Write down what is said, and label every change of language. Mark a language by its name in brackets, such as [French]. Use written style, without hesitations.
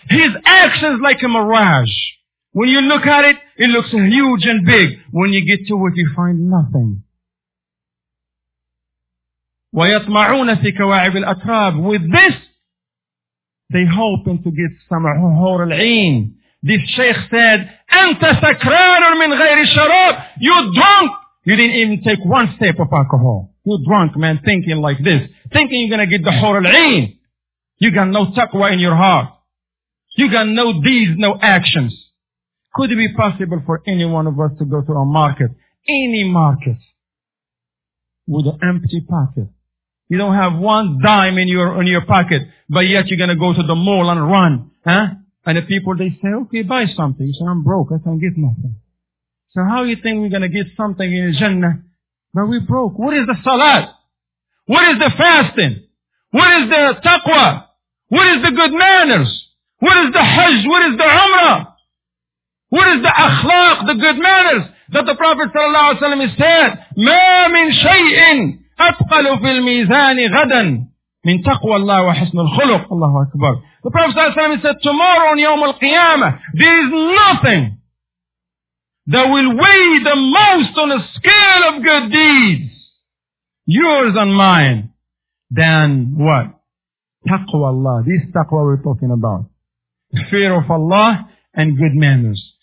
[English] His actions like a mirage. When you look at it, it looks huge and big. When you get to it, you find nothing. [Arabic] وَيَطْمَعُونَ فِي كَوَاعِبِ الْأَتْرَابِ. [English] With this, they hoping to get some Hur al-Ain. This Shaykh said, [Arabic] أَنْتَ سَكْرَانٌ مِنْ غَيْرِ الشَّرَابِ. [English] You drunk. You didn't even take one step of alcohol. You're drunk, man, thinking like this. Thinking you're going to get the Hur al-Ain. You got no taqwa in your heart. You got no deeds, no actions. Could it be possible for any one of us to go to a market, any market, with an empty pocket? You don't have one dime in your pocket, but yet you're going to go to the mall and run. Huh? And the people, they say, okay, buy something. You say, I'm broke, I can't get nothing. So how do you think we're going to get something in Jannah? But we're broke. What is the salat? What is the fasting? What is the taqwa? What is the good manners? What is the hajj? What is the umrah? What is the akhlaq, the good manners? That the Prophet sallallahu alaihi wasallam said, [Arabic] ما من شيء أثقل في الميزان غدا من تقوى الله وحسن الخلق. الله أكبر. [English] The Prophet sallallahu alaihi wasallam said, tomorrow on Yawm al-Qiyamah, there is nothing that will weigh the most on a scale of good deeds, yours and mine, than what? Taqwa Allah. This taqwa we're talking about. The fear of Allah and good manners.